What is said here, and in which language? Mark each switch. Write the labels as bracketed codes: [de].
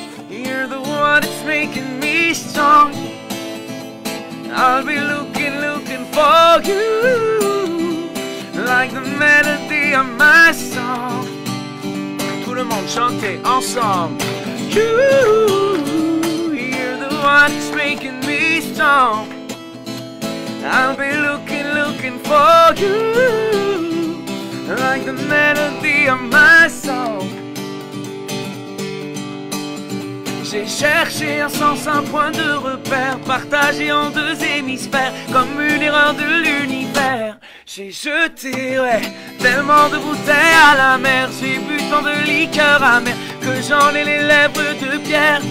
[en] You're the one that's making me strong. I'll be looking, looking for you. Like the melody of my song. [fr] Tout le monde chantait ensemble. [en] You're the one that's making me strong. I'll be looking, looking for you. Like the melody of my song. [fr] J'ai cherché un sens, un point de repère, partagé en deux hémisphères, comme une erreur de l'univers. J'ai jeté, ouais, tellement de bouteilles à la mer. J'ai bu tant de liqueurs amères que j'en ai les lèvres de pierre.